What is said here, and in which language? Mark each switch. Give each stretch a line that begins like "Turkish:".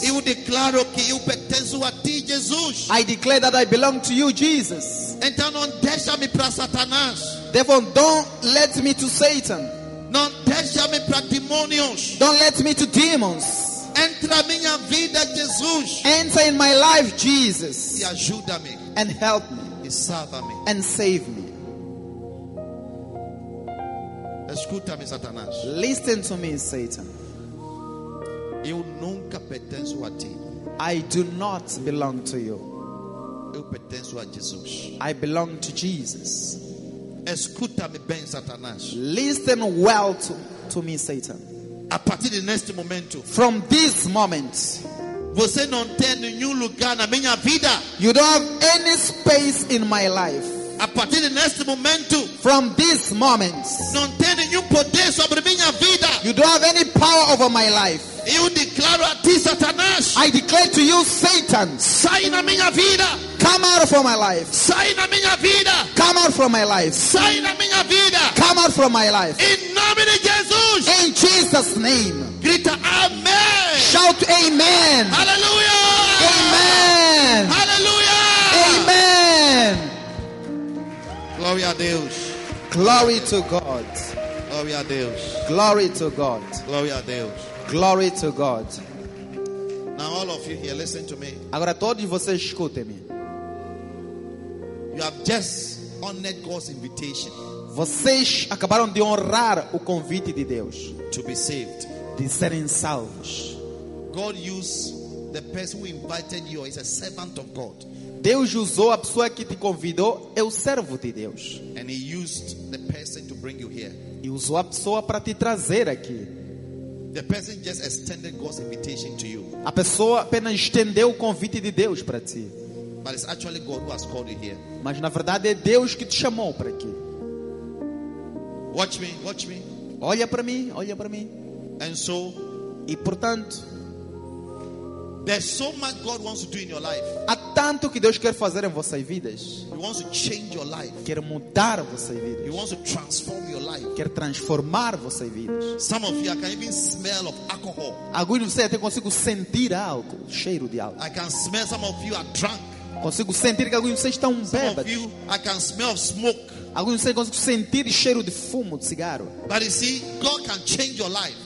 Portuguese: eu declaro que eu pertenço a ti, Jesus.
English: I declare that I belong to you, Jesus.
Portuguese: Então não deixa-me para Satanás.
English: Therefore, don't let me to Satan.
Portuguese: Não deixa-me para demônios.
English: Don't let me to demons.
Portuguese: Entra minha vida, Jesus.
English: Enter in my life, Jesus.
Portuguese: E ajuda-me.
English: And help me.
Portuguese: E salva-me.
English: And save me.
Portuguese: Escuta-me, Satanás.
English: Listen to me, Satan.
Portuguese: Eu nunca pertenço a ti.
English: I do not belong to you.
Portuguese: Eu pertenço a Jesus.
English: I belong to Jesus.
Portuguese: Escuta-me bem, Satanás.
English: Listen well to me, Satan.
Portuguese: A partir de neste momento.
English: From this moment.
Portuguese: Você não tem nenhum lugar na minha vida.
English: You don't have any space in my life.
Portuguese: A partir de neste momento.
English: From this moment.
Portuguese: Não tem nenhum poder sobre minha vida.
English: You don't have any power over my life.
Portuguese: Eu declaro a ti, Satanás.
English: I declare to you, Satan.
Portuguese: Sai na minha vida.
English: Come out from my life.
Portuguese: Sai na minha vida.
English: Come out from my life.
Portuguese: Sai na minha vida.
English: Come out from my life.
Portuguese: Em nome de Jesus.
English: In Jesus' name.
Portuguese: Grita amém.
English: Shout amen. Hallelujah. Amen. Hallelujah. Amen.
Portuguese: Glory a Deus.
English: Glory to God.
Portuguese: Glory a Deus.
English: Glory to God.
Portuguese: Glory a Deus.
English: Glory to God. Now all of you here, listen to me.
Portuguese: Agora todos vocês escutem-me.
English: You have just honored God's invitation.
Portuguese: Vocês acabaram de honrar o convite de Deus.
English: To be saved.
Portuguese: De serem salvos.
English: God used the person who invited you as a servant of God.
Portuguese: Deus usou a pessoa que te convidou, é o servo de Deus.
English: And he used the person to bring you here.
Portuguese: E usou a pessoa para te trazer aqui.
English: The person just extended God's invitation to you.
Portuguese: A pessoa apenas estendeu o convite de Deus para ti.
English: But it's actually God who has called you here.
Portuguese: Mas na verdade é Deus que te chamou para aqui.
English: Watch me, watch me.
Portuguese: Olha para mim, olha para mim.
English: And so,
Portuguese: e portanto,
English: there's so much God wants to do in your life.
Portuguese: Há tanto que Deus quer fazer em vossas vidas.
English: He wants to change your life.
Portuguese: Quer mudar vossas vidas.
English: He wants to transform your life.
Portuguese: Quer transformar vossas vidas.
English: Some of you, I can even smell of alcohol.
Portuguese: Alguns de vocês até consigo sentir álcool, cheiro de álcool.
English: I can smell some of you are drunk.
Portuguese: Consigo sentir que alguns de vocês estão bêbados.
English: I can smell of smoke.
Portuguese: Alguns de vocês conseguem sentir o cheiro de fumo de cigarro.
English: But you see, God can change your life.